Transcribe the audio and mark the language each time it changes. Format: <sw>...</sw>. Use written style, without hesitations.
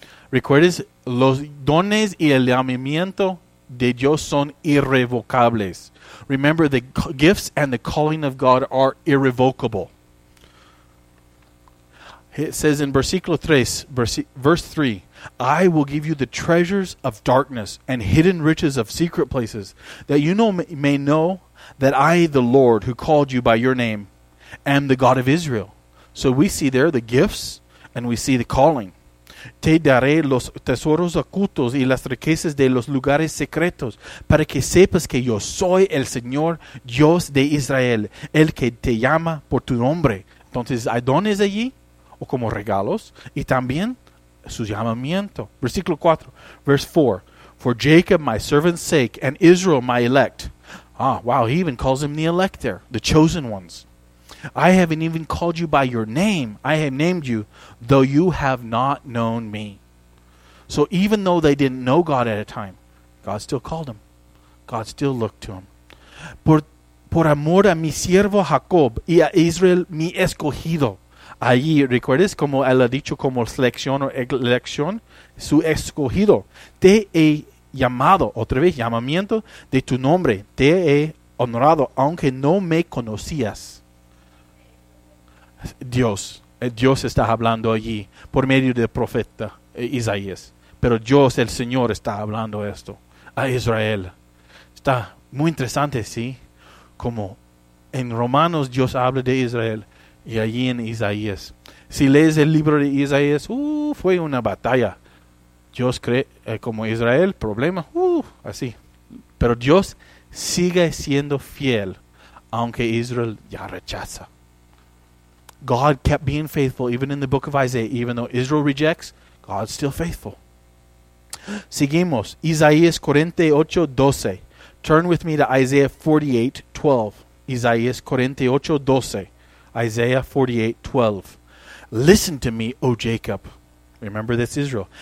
<es>Recuerdes, los dones y el llamamiento de Dios son irrevocables.</es> <en>Remember, the gifts and the calling of God are irrevocable. It says in</en> <es>versículo 3,</es> <en>verse 3, I will give you the treasures of darkness and hidden riches of secret places, that you may know that I, the Lord, who called you by your name, am the God of Israel. So we see there the gifts and we see the calling.</en> <es>Te daré los tesoros ocultos y las riquezas de los lugares secretos para que sepas que yo soy el Señor Dios de Israel, el que te llama por tu nombre. Entonces, ¿hay dones allí? O como regalos. Y también su llamamiento. Versículo 4.</es> <en>Verse 4. For Jacob, my servant's sake, and Israel, my elect. Ah, wow, he even calls him the elect there, the chosen ones. I haven't even called you by your name. I have named you, though you have not known me. So even though they didn't know God at a time, God still called him. God still looked to him.</en> <es>Por amor a mi siervo Jacob y a Israel mi escogido. Allí, ¿recuerdas cómo él ha dicho como selección o elección? Su escogido. Te he llamado, otra vez, llamamiento de tu nombre. Te he honrado, aunque no me conocías. Dios, Dios está hablando allí por medio del profeta Isaías. Pero Dios, el Señor, está hablando esto a Israel. Está muy interesante, ¿sí? Como en Romanos Dios habla de Israel y allí en Isaías. Si lees el libro de Isaías, fue una batalla. Dios cree como Israel, problema, así. Pero Dios sigue siendo fiel, aunque Israel ya rechaza.</es> <en>God kept being faithful, even in the book of Isaiah. Even though Israel rejects, God's still faithful.</en> <es>Seguimos.</es> <en>Isaías 48:12. Turn with me to Isaiah 48:12. Isaías 48:12. Isaiah 48:12. Listen to me, O Jacob. Remember, this Israel.</en>